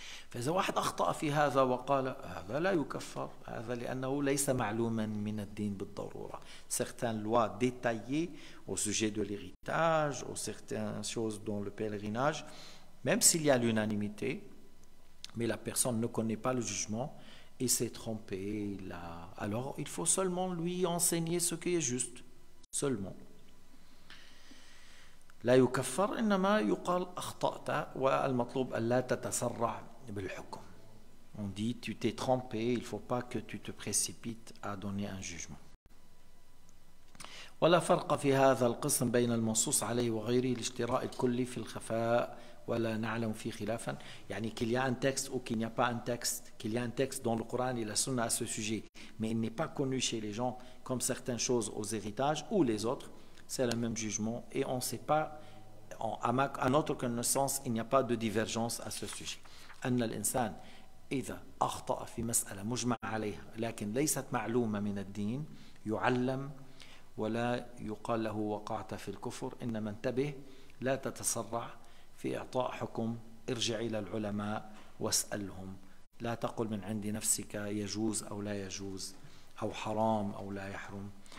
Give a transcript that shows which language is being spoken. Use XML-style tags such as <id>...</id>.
<ar>فإذا واحد أخطأ في هذا وقال هذا لا يكفر, هذا لأنه ليس معلوما من الدين بالضرورة.</ar> <fr>certaines lois détaillées au sujet de l'héritage, ou certaines choses dans le pèlerinage, même s'il y a l'unanimité, mais la personne ne connaît pas le jugement et s'est trompé, alors il faut seulement lui enseigner ce qui est juste, seulement.</fr> <ar>لا يكفر إنما يقال أخطأت والمطلوب ألا تتسرع بالحكم.</ar> <fr>On dit tu t'es trompé, il faut pas que tu te précipites à donner un jugement.</fr> <ar>ولا فرق في هذا القسم بين المنصوص عليه وغيره لاشتراء الكلي في الخفاء ولا نعلم فيه خلافا. يعني</ar> <fr>qu'il y a un texte ou qu'il n'y a pas un texte, qu'il y a un texte dans le Coran et la Sunna à ce sujet, mais il n'est pas connu chez les gens comme certaines choses aux héritages ou les autres. C'est le même jugement et on ne sait pas, à notre connaissance, il n'y a pas de divergence à ce sujet.</fr> <ar>أن الإنسان إذا أخطأ في مسألة مجمع عليها لكن ليست معلومة من الدين يعلم ولا يقال له وقعت في الكفر. إنما انتبه لا تتسرع في إعطاء حكم, ارجع إلى العلماء واسألهم, لا تقل من عندي نفسك يجوز أو لا يجوز أو حرام أو لا يحرم.</ar>